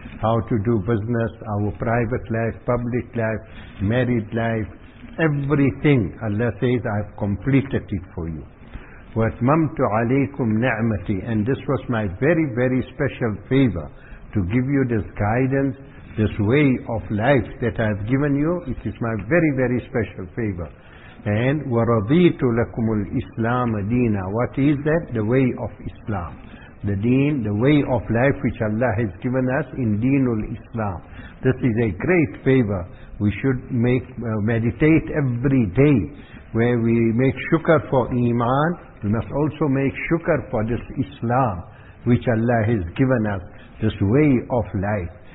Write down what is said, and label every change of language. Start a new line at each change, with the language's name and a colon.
English: How to do business, our private life, public life, married life, everything Allah says, I have completed it for you.
Arabic: وَأَتْمَمْتُ عَلَيْكُمْ نِعْمَتِي,
English: and this was my very, very special favor to give you this guidance, this way of life that I have given you. It is my very, very special favor.
Arabic: And وَرَضِيتُ لَكُمُ الْإِسْلَامَ دِينَ.
English: What is that? The way of Islam. The deen, the way of life which Allah has given us in deenul Islam. This is a great favor. We should meditate every day. Where we make shukr for iman, we must also make shukr for this Islam which Allah has given us, this way of life.